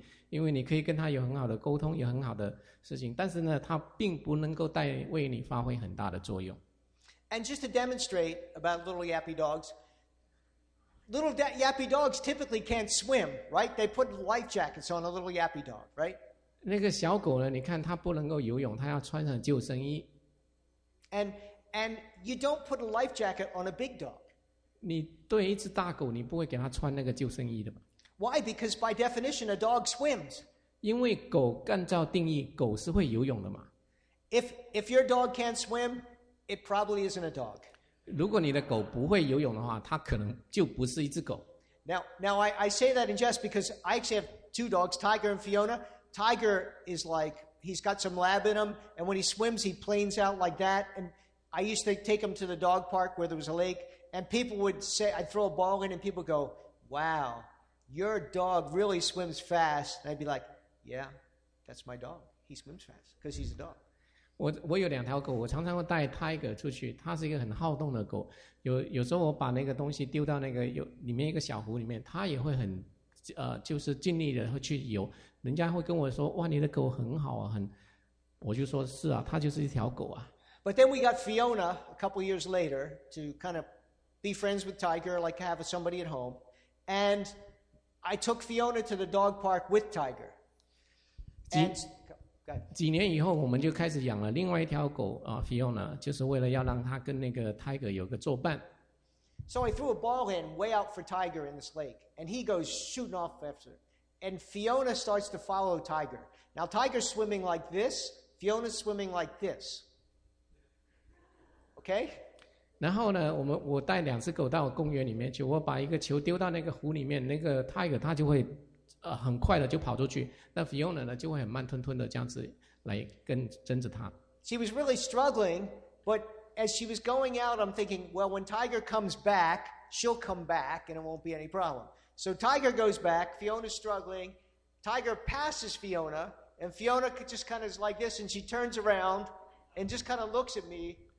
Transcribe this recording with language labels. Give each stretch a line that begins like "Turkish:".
Chinese: 因为你可以跟他有很好的沟通，有很好的事情，但是呢，他并不能够带为你发挥很大的作用。
English: And just to demonstrate about little yappy dogs, little yappy dogs typically can't swim, right? They put life jackets on a little yappy dog, right?
Chinese: 那个小狗呢？你看它不能够游泳，它要穿上救生衣。
English: And you don't put a life jacket on a big dog.
Chinese: 你对一只大狗，你不会给它穿那个救生衣的吧？
English: Why? Because by definition, a dog swims.
Chinese: 因为狗按照定义，狗是会游泳的嘛。
English: If your dog can't swim, it probably isn't a dog.
Chinese: 如果你的狗不会游泳的话，它可能就不是一只狗。
English: Now I say that in jest because I actually have two dogs, Tiger and Fiona. Tiger is like, he's got some lab in him, and when he swims, he planes out like that. And I used to take him to the dog park where there was a lake, and people would say, I'd throw a ball in, and people would go, wow. Your dog really swims fast. And I'd be like, yeah, that's my dog. He swims fast because he's a dog.
Chinese: 我有两条狗，我常常会带 Tiger 出去。它是一个很好动的狗。有时候我把那个东西丢到那个里面一个小湖里面，它也会很就是尽力的会去游。人家会跟我说，哇，你的狗很好啊，很。我就说是啊，它就是一条狗啊。
English: But then we got Fiona a couple years later to kind of be friends with Tiger, like have somebody at home, and. I took Fiona to the dog park with Tiger.
Chinese: And, 几年以后我们就开始养了另外一条狗、Fiona, 就是为了要让它跟那个 Tiger 有个作伴。
English: So I threw a ball in way out for Tiger in this lake, and he goes shooting off after it. And Fiona starts to follow Tiger. Now Tiger's swimming like this, Fiona's swimming like this. Okay?
Chinese: 然后呢，我带两只狗到公园里面去，我把一个球丢到那个湖里面，那个 Tiger 它就会，很快的就跑出去，那 Fiona 呢就会很慢吞吞的这样子来跟跟着它。
English: She was really struggling, but as she was going out, I'm thinking, well, when Tiger comes back, she'll come back and it won't be any problem. So Tiger goes back, Fiona's struggling, Tiger passes Fiona, and Fiona just kind of is like this, and she turns around and just kind of looks at me.